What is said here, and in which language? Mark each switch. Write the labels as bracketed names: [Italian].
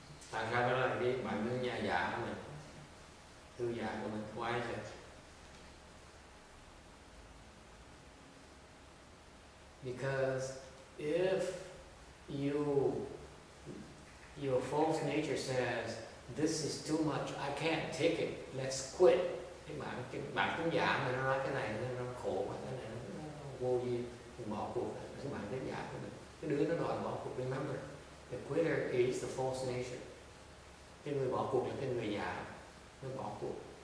[Vietnamese] Tại sao đó là cái bản thân nhà giả của mình? Thư giả của mình, [English] why is it? Because if your false nature says, this is too much, I can't take it, let's quit. [Vietnamese] Bản tính giả mà nó nói cái này nó khổ quá, cái này nó vô duyên, thì bỏ cuộc. Cái bản tính giả của mình, cái đứa nó đòi bỏ cuộc. [English] Remember, the quitter is the false nature. [Vietnamese] Cái người bỏ cuộc là cái người giả, nó bỏ cuộc.